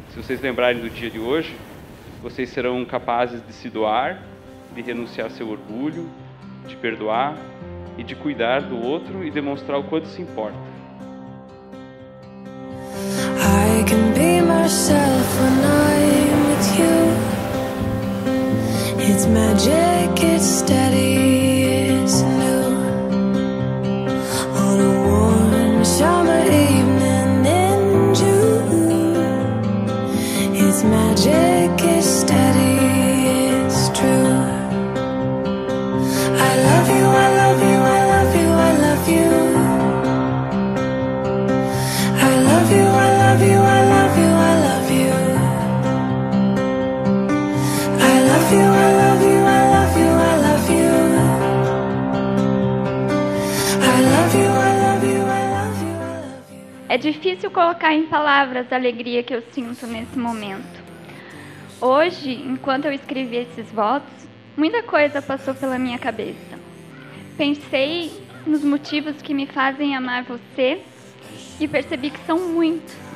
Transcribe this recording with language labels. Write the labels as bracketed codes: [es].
[pt] vocês lembrarem do dia de hoje, vocês serão capazes de se doar, de renunciar seu orgulho, de perdoar e de cuidar do outro e demonstrar o quanto se importa. [en] I can be myself when I'm with you. It's magic, it's steady, it's new. On a warm summer evening in June. It's magic, it's steady, it's true. I love you, I love you, I love you, I love you. I love you, I love you, I love you, I love you. I love you, I love you, I love you, I love you. I love you, I love you, I love you, I love you. [pt] É difícil colocar em palavras a alegria que eu sinto nesse momento. Hoje, enquanto eu escrevi esses votos, muita coisa passou pela minha cabeça. Pensei nos motivos que me fazem amar você e percebi que são muitos.